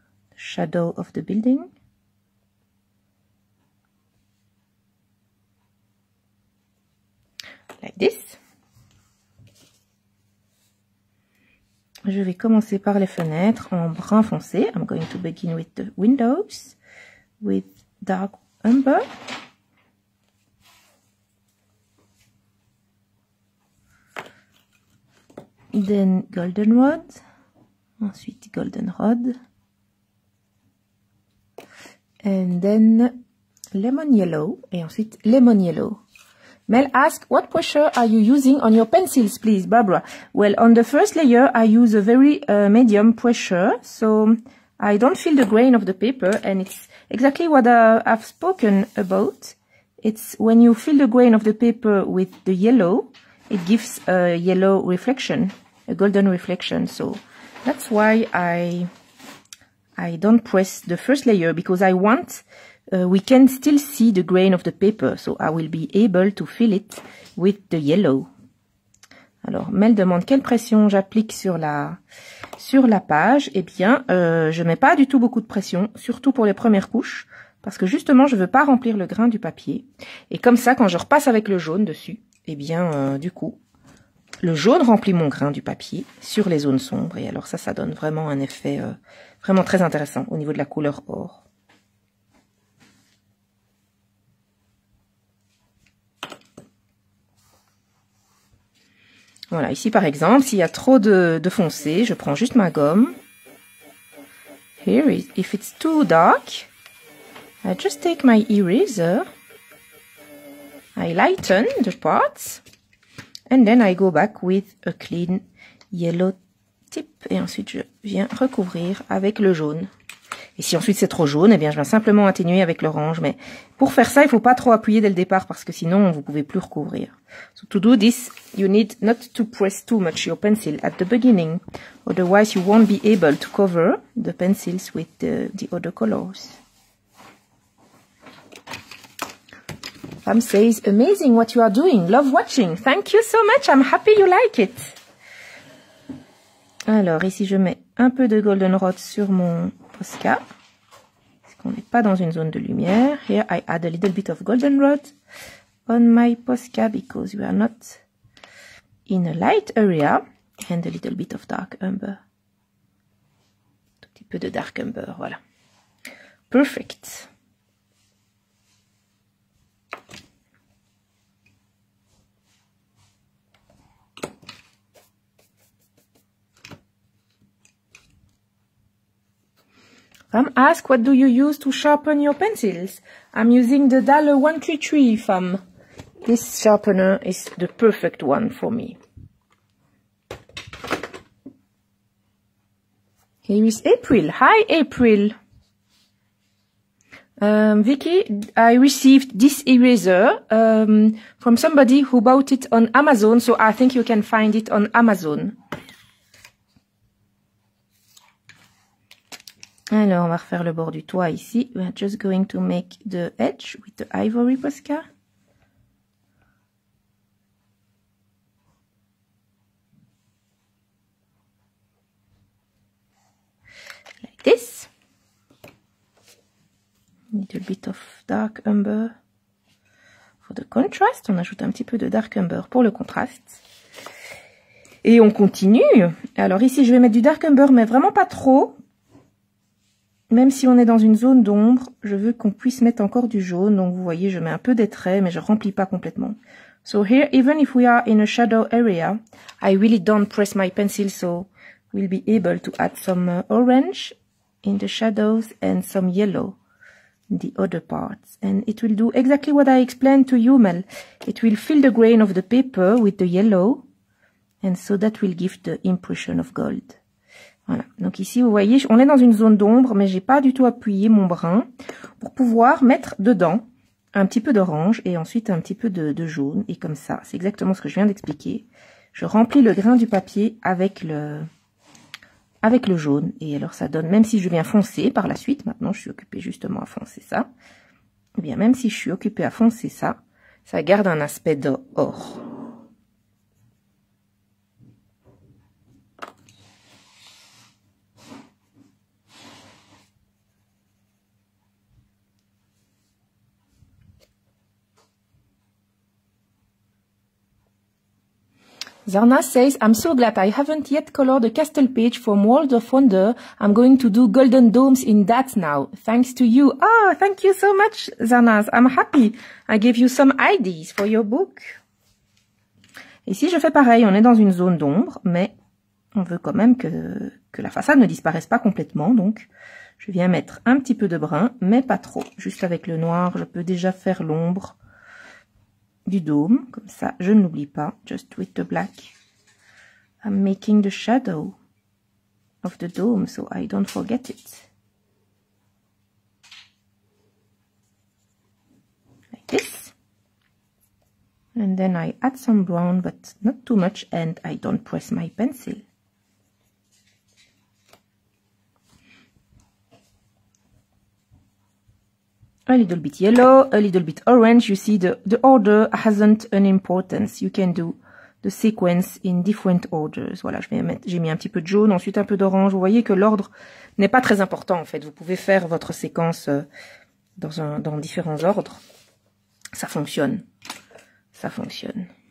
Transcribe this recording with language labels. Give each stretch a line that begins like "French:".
English: The shadow of the building. Like this.
French: Je vais commencer par les fenêtres en brun foncé.
English: I'm going to begin with the windows with dark umber. Then goldenrod.
French: Ensuite
English: goldenrod. And then lemon yellow.
French: Et ensuite
English: lemon yellow. Mel asks, what pressure are you using on your pencils, please, Barbara? Well, on the first layer, I use a very medium pressure, so I don't feel the grain of the paper, and it's exactly what I've spoken about. It's when you feel the grain of the paper with the yellow, it gives a yellow reflection, a golden reflection. So that's why I don't press the first layer, because I want We can still see the grain of the paper, so I will be able to fill it with the yellow.
French: Alors, Mel demande quelle pression j'applique sur la page. Eh bien, je mets pas du tout beaucoup de pression, surtout pour les premières couches, parce que justement, je veux pas remplir le grain du papier. Et comme ça, quand je repasse avec le jaune dessus, eh bien, du coup, le jaune remplit mon grain du papier sur les zones sombres. Et alors ça donne vraiment un effet vraiment très intéressant au niveau de la couleur or. Voilà, ici par exemple, s'il y a trop de foncé, je prends juste ma gomme.
English: Here is, if it's too dark, I just take my eraser, I lighten the parts, and then I go back with a clean yellow tip.
French: Et ensuite, je viens recouvrir avec le jaune. Et si ensuite c'est trop jaune, eh bien je viens simplement atténuer avec l'orange. Mais pour faire ça, il faut pas trop appuyer dès le départ parce que sinon vous pouvez plus recouvrir.
English: So to do this, you need not to press too much your pencil at the beginning. Otherwise, you won't be able to cover the pencils with the other colors. Pam says, amazing what you are doing. Love watching. Thank you so much. I'm happy you like it.
French: Alors ici, je mets un peu de goldenrod sur mon Posca. Parce qu'on n'est pas dans une zone de lumière.
English: Here I add a little bit of goldenrod on my Posca because we are not in a light area. And a little bit of dark umber.
French: Un petit peu de
English: dark umber,
French: voilà.
English: Perfect. Femme, ask what do you use to sharpen your pencils? I'm using the Dalle 133, femme. This sharpener is the perfect one for me. Here is April. Hi, April. Vicky, I received this eraser from somebody who bought it on Amazon, so I think you can find it on Amazon.
French: Alors, on va refaire le bord du toit ici.
English: We're just going to make the edge with the ivory Posca. Like this. A little bit of dark umber for the contrast.
French: On ajoute un petit peu de dark umber pour le contraste. Et on continue. Alors ici, je vais mettre du dark umber, mais vraiment pas trop. Même si on est dans une zone d'ombre, je veux qu'on puisse mettre encore du jaune. Donc vous voyez, je mets un peu des traits, mais je remplis pas complètement.
English: So here, even if we are in a shadow area, I really don't press my pencil, so we'll be able to add some orange in the shadows and some yellow in the other parts. And it will do exactly what I explained to you, Mel. It will fill the grain of the paper with the yellow, and so that will give the impression of gold.
French: Voilà. Donc ici, vous voyez, on est dans une zone d'ombre, mais j'ai pas du tout appuyé mon brin pour pouvoir mettre dedans un petit peu d'orange et ensuite un petit peu de jaune. Et comme ça, c'est exactement ce que je viens d'expliquer. Je remplis le grain du papier avec le jaune. Et alors ça donne, même si je viens foncer par la suite, maintenant je suis occupée justement à foncer ça. Eh bien, même si je suis occupée à foncer ça, ça garde un aspect d'or.
English: Zarna says, I'm so glad I haven't yet colored the castle page from World of Wonder. I'm going to do golden domes in that now. Thanks to you. Oh, thank you so much, Zarna. I'm happy. I gave you some ideas for your book.
French: Et si je fais pareil, on est dans une zone d'ombre, mais on veut quand même que la façade ne disparaisse pas complètement. Donc, je viens mettre un petit peu de brun, mais pas trop. Juste avec le noir, je peux déjà faire l'ombre du dôme, comme ça, je ne l'oublie pas.
English: Just with the black. I'm making the shadow of the dome, so I don't forget it. Like this. And then I add some brown, but not too much, and I don't press my pencil. a little bit yellow, a little bit orange. You see the order hasn't an importance. You can do the sequence in different orders.
French: Voilà, j'ai mis un petit peu de jaune, ensuite un peu d'orange. Vous voyez que l'ordre n'est pas très important en fait. Vous pouvez faire votre séquence dans différents ordres. Ça fonctionne. Ça fonctionne.